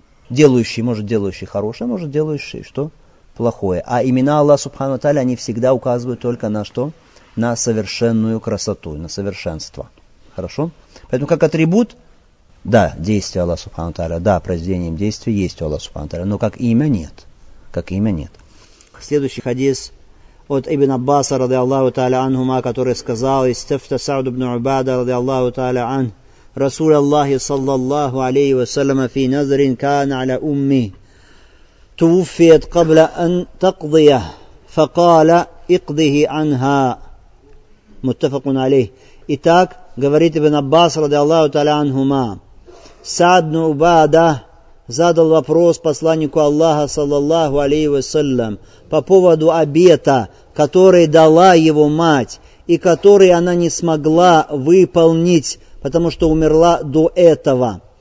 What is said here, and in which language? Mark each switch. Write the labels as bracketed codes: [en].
[ru] Делающий, может делающий хорошее, может делающий что? Плохое. А имена Аллаха Субхану Таля, они всегда указывают только на что? На совершенную красоту, на совершенство. Хорошо? Поэтому как атрибут, да, действие Аллаха Субхану Таля, да, произведением действия есть у Аллаха Субхану Таля, но как имя нет. Как имя нет. Следующий хадис от Ибн Аббаса, ради Аллаху Таля Анхума, который сказал, [ar] «Истифта Сауд ибн Убада, [ru] ради Аллаху Таля Анх, [ar] رسول الله صلى الله عليه وسلم في نذر كان على أمي توفيت قبل أن تقضيه فقال اقضه عنها متفق عليه. [ru] Итак, говорит ибн Аббас رضي الله تعالى عنهما, Саад ибн Убада задал вопрос посланнику Аллаха صلى الله عليه وسلم по поводу обета, который дала его мать и который она не смогла выполнить, потому что умерла до этого.